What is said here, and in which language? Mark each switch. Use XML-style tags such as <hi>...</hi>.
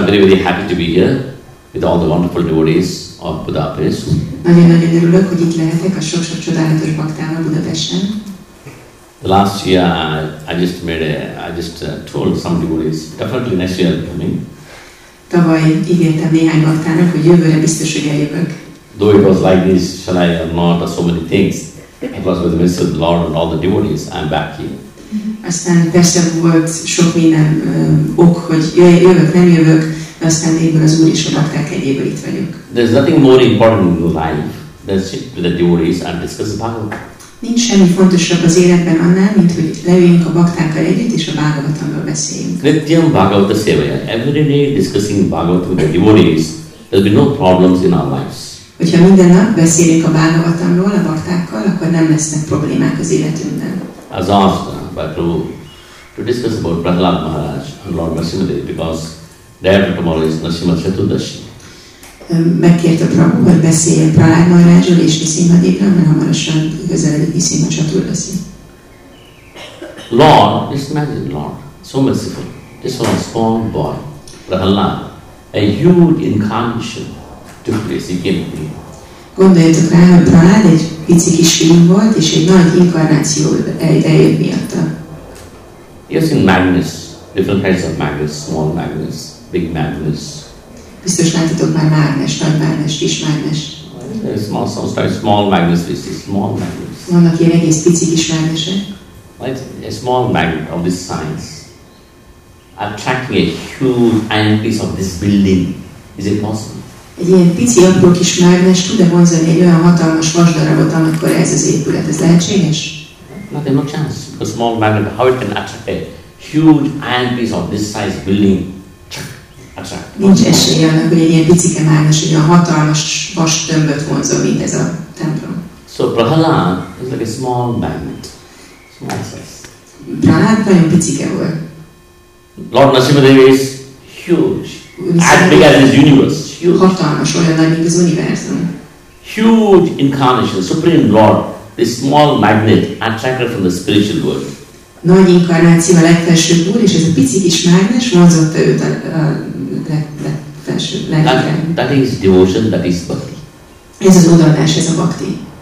<en>So I'm very, very happy to be here with all the wonderful devotees of Budapest.</en> <hu>Nagyon-nagyon örülök, hogy itt lehetek a sok-sok csodálatos baktával Budapesten.</hu> <en>The last year I just told some devotees, definitely next year coming.</en> <hu>Tavaly ígértem néhány baktának, hogy jövőre biztos, hogy eljövök.</hu> <en>Though it was like this, shall I not, so many things. It was with the mercy of the Lord and all the devotees, I'm back here.</en> <hu>Aztán persze volt sok minden ok, hogy jövök, nem jövök, aztán végül az Úr is odakták egyéből itt vagyok.</hu> <en>There's nothing more important in life than sit with the devotees and discuss Bhagavatam.</en> <hu>Nincs semmi fontosabb az életben annál, mint hogy leüljünk a baktákkal együtt és a Bhagavatamról beszéljünk.</hu> <sa>Nityam Bhagavata Sevaya.</sa> <en>Every day discussing Bhagavatam with the devotees, there'll be no problems in our lives.</en> <hu>Hogyha minden nap beszélünk a Bhagavatamról a baktákkal, akkor nem lesznek problémák az életünkben.</hu> <en>As asked by Prabhu to discuss about Prahlad Maharaj and Lord Narasimhadev, because day after tomorrow is Narasimha Chaturdashi.</en> <hu>Megkérte Prabhu, hogy beszéljen Prahlad Maharajról és Narasimhadevről, mert hamarosan közeledik Narasimha Chaturdashi.</hu> <en>Lord, just imagine Lord, so merciful. This was a small boy, Prahlad, a huge incarnation took place, he came here.</en> <hu>Gondoljatok rá, hogy Prahlad egy pici kis fiú volt, és egy nagy inkarnáció eljött miatta.</hu> <en>You've seen Magnus, different kinds of Magnus, small Magnus, big Magnus.</en> <hu>Biztos láttatok már Mágnes, nagy Mágnes, kis Mágnes.</hu> <en>Small, sounds like small Magnus, this is small Magnus.</en> <hu>Vannak ilyen egész pici kis Mágnesek.</hu> <en>Like a small Magnus of this size, attracting a huge iron piece of this building. Is it possible?</en> <hu>Egy ilyen pici, apró kis mágnes tud-e vonzani egy olyan hatalmas vasdarabot, amikor ez az épület? Ez lehetséges?</hu> <en>Not a no chance. A small magnet, how it can attract a huge iron piece of this size building?</en> <hu>Nincs esélye annak, hogy egy ilyen picike mágnes, egy olyan hatalmas vas tömböt vonzom, mint ez a templom.</hu> <en>So Prahlad is like a small magnet. Small size.</en> <hu>Prahlad nagyon picike volt.</hu> <en>Lord Narasimhadev is huge. As big as this universe. Huge.</en> <hu>Hatalmas, olyan nagy, mint az univerzum.</hu> <en>Huge incarnation, Supreme Lord, this small magnet attracted from the spiritual world.</en> <hu>Nagy inkarnáció a legfelsőbb úr, és ez a pici kis mágnes vonzotta őt a legfelsőbb.</hu> <en>That is devotion, that is bhakti.</en> <hu>Ez az odaadás, ez a bhakti.</hu>